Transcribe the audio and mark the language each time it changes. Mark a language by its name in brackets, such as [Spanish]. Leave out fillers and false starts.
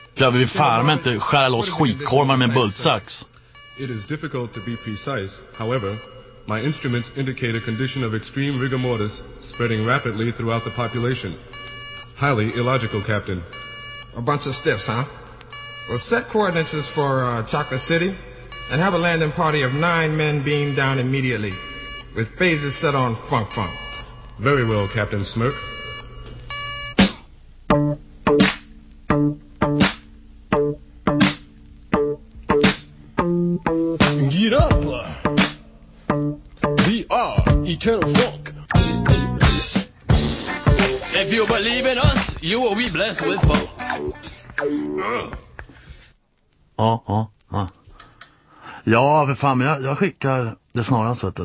[Swedish] För jag vill farma inte skära loss skitkormar med en bultsax. [English] It is difficult to be precise. However, my instruments indicate a condition of extreme rigor mortis spreading rapidly throughout the population. Highly illogical, Captain. A bunch of stiffs, huh? Well, set coordinates for Chocolate City and have a landing party of 9 men beamed down immediately with phases set on funk funk. Very well, Captain Smirk. Get up! We are eternal funk. If you believe in us, you will be blessed with funk. [Swedish] Ja, för fan, men jag skickar det snarast, vet du.